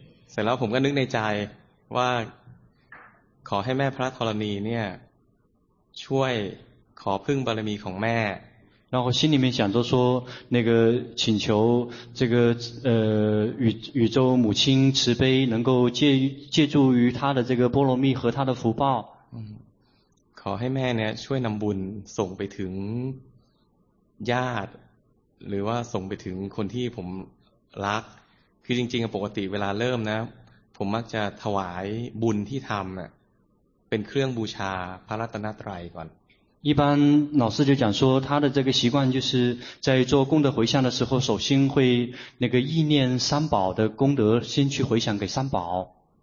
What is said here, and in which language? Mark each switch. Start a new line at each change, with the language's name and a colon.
Thai: เสร็จแล้วผมก็นึกในใจว่าขอให้แม่พระธรณีเนี่ยช่วยขอพึ่งบารมีของแม่
Chinese: 然后心里面想着说那个请求这个宇宙母亲慈悲能够借助于她的这个波罗蜜和她的福报
Thai: ขอให้แม่เนี่ยช่วยนำบุญส่งไปถึงญาติหรือว่าส่งไปถึงคนที่ผมรักคือจริงๆปกติเวลาเริ่มนะผมมักจะถวายบุญที่ทำเป็นเครื่องบูชาพระรัตนตรัยก่อน
Chinese: 一般老师就讲说他的这个习惯就是在做功德回向的时候首先会那个意念三宝的功德先去回向给三宝